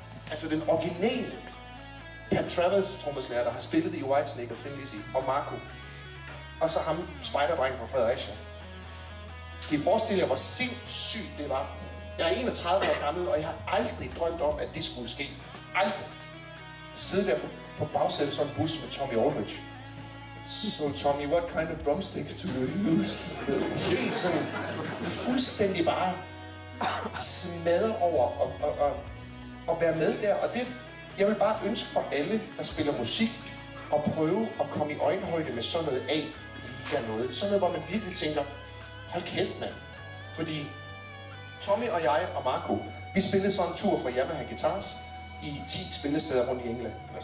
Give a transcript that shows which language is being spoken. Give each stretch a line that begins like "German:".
Danish: Altså den originale Pat Travers trommeslager, der har spillet i Whitesnake og Thin Lizzy. Og Marco. Og så ham, spiderdrengen fra Fredericia. Kan I forestille jer, hvor sindssygt det var? Jeg er 31 år gammel, og jeg har aldrig drømt om, at det skulle ske. Aldrig! At sidde der på bagsædet sådan en bus med Tommy Aldridge.
English: So Tommy, what kind of drumsticks do you use?
Danish: Helt sådan fuldstændig bare smadret over at være med der. Og det, jeg vil bare ønske for alle, der spiller musik, at prøve at komme i øjenhøjde med sådan noget af der noget. Sådan noget, hvor man virkelig tænker, hold kæft mand. Fordi Tommy og jeg og Marco, vi spillede sådan en tur fra Yamaha Guitars i 10 spillesteder rundt i England.